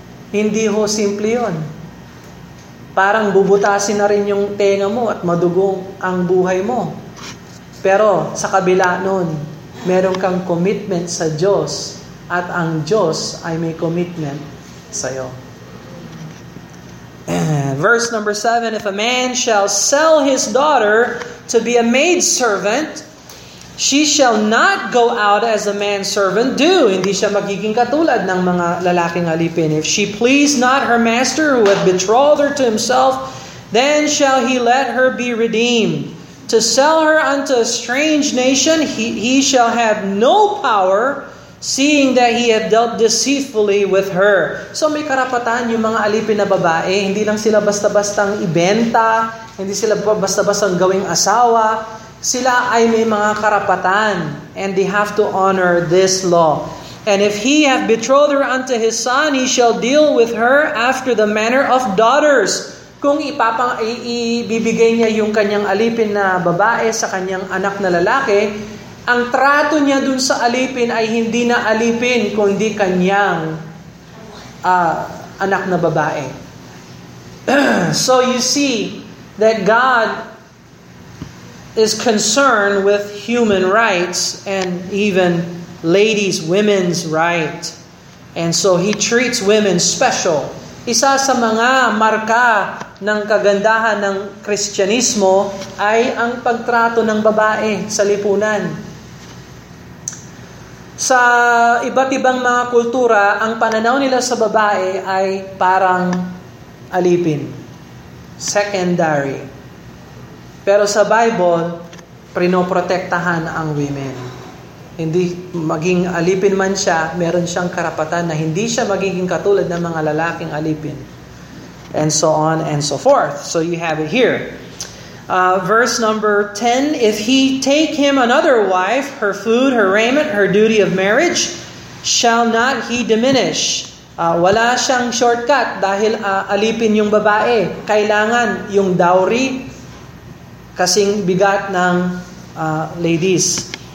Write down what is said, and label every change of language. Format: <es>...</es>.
<tl>Hindi ho simple yon. Parang bubutasin na rin yung tenga mo at madugong ang buhay mo. Pero sa kabila nun, meron kang commitment sa Diyos at ang Diyos ay may commitment sa iyo.</tl> <en>Verse number 7, if a man shall sell his daughter to be a maidservant, she shall not go out as a manservant do.</en> <tl>Hindi siya magiging katulad ng mga lalaking alipin.</tl> <en>If she please not her master who hath betrothed her to himself, then shall he let her be redeemed. To sell her unto a strange nation, he shall have no power, seeing that he hath dealt deceitfully with her.</en> <tl>So may karapatan yung mga alipin na babae. Hindi lang sila basta-bastang ibenta. Hindi sila basta-bastang gawing asawa. Sila ay may mga karapatan,</tl> <en>and they have to honor this law. And if he have betrothed her unto his son, he shall deal with her after the manner of daughters.</en> <tl>Kung ibibigay niya yung kanyang alipin na babae sa kanyang anak na lalaki, ang trato niya dun sa alipin ay hindi na alipin, kundi kanyang anak na babae.</tl> <en>So you see that God is concerned with human rights and even ladies, women's right. And so He treats women special.</en> <tl>Isa sa mga marka ng kagandahan ng Kristyanismo ay ang pagtrato ng babae sa lipunan. Sa iba't ibang mga kultura, ang pananaw nila sa babae ay parang alipin.</tl> <en>Secondary.</en> <tl>Pero sa Bible, prinoprotektahan ang women. Hindi maging alipin man siya, meron siyang karapatan na hindi siya magiging katulad ng mga lalaking alipin.</tl> <en>And so on and so forth. So you have it here. Verse number 10, if he take him another wife, her food, her raiment, her duty of marriage, shall not he diminish?</en> <tl>Wala siyang shortcut dahil alipin yung babae. Kailangan yung dowry, kasing bigat ng ladies.</tl>